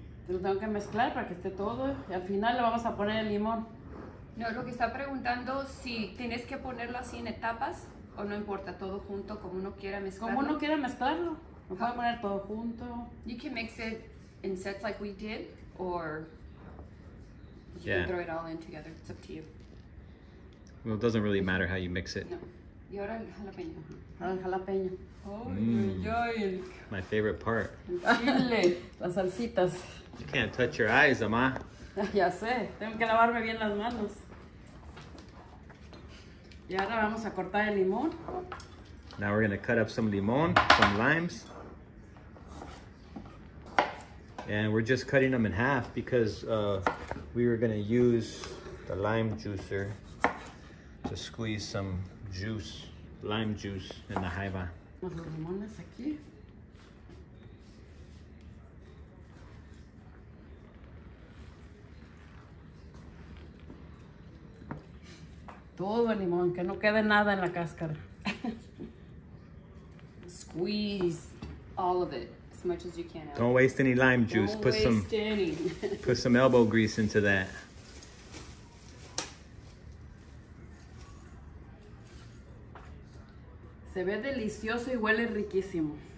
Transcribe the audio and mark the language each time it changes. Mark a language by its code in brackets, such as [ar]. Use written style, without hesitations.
[es] Lo tengo que mezclar para que esté todo. Y al final le vamos a poner el limón. No, lo que está preguntando si tienes que ponerlo así en etapas o no importa, todo junto, como uno quiera mezclarlo. Como uno quiera mezclarlo. Lo puedo poner todo junto. [en] You can mix it in sets like we did, or you can throw it all in together. It's up to you. Well, it doesn't really matter how you mix it. [es] No. Y ahora el jalapeño. Ahora el jalapeño. [en] My favorite part. [es] El chile. Las salsitas. [en] You can't touch your eyes, Ama. [es] Ya sé, tengo que lavarme bien las manos. Y ahora vamos a cortar el limón. [en] Now we're going to cut up some limón, some limes. And we're just cutting them in half because we were going to use the lime juicer to squeeze some juice, lime juice in the jaiba. [es] Los limones aquí. Todo el limón, que no quede nada en la cáscara. [en] Squeeze all of it, as much as you can. Elbow. Don't waste any lime juice. Don't put waste some, any. Put some elbow grease into that. [es] Se ve delicioso y huele riquísimo.